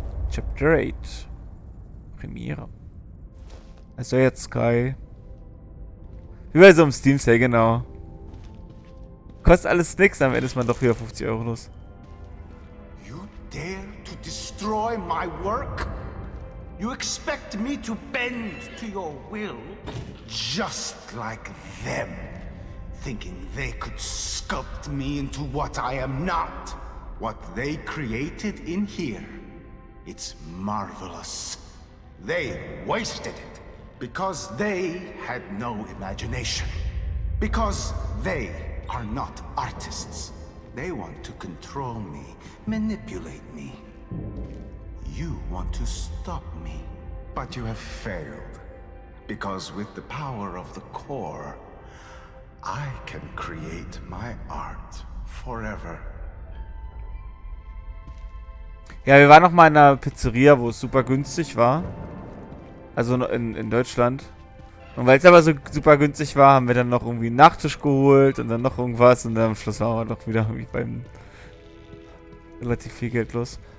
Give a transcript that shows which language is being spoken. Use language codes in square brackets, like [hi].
[de] Chapter 8. Premiere. Also jetzt Sky. Überall so im Steam Sale, genau. Kostet alles nix, am Ende ist man doch wieder 50 Euro los. [en] You dare to destroy my work? You expect me to bend to your will? Just like them. Thinking they could sculpt me into what I am not. What they created in here. It's marvelous. They wasted it. Because they had no imagination. Because they are not artists. They want to control me, manipulate me. You want to stop me. But you have failed. Because with the power of the core, I can create my art forever. [de] Ja, wir waren noch mal in einer Pizzeria, wo es super günstig war. Also in Deutschland. Und weil es aber so super günstig war, haben wir dann noch irgendwie einen Nachtisch geholt und dann noch irgendwas. Und dann am Schluss waren wir doch wieder irgendwie beim relativ viel Geld los.